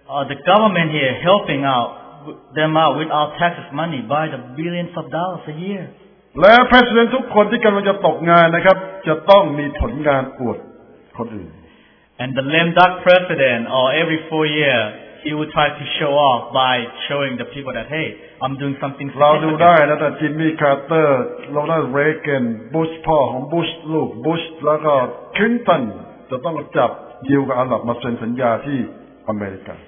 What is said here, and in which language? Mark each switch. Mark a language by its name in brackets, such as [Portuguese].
[English] the government here helping out them out with our taxes money by the billions of dollars a year. [Thai] และ president ทุกคนที่กำลังจะตกงานนะครับจะต้องมีผลงานอวดคนอื่น. [English] And the lame duck president, or every 4 years, he will try to show off by showing the people that, hey, I'm doing something significant.